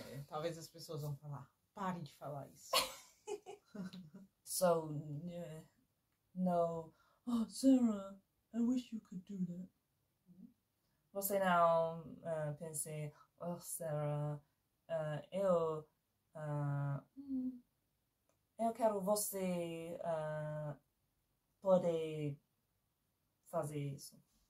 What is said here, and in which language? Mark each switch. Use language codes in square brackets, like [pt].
[pt] Talvez as pessoas vão falar, pare de falar isso. [en] So, yeah. No. Oh, Sarah, I wish you could do that. [pt] Você não pense, oh, Sarah, eu quero você poder fazer isso.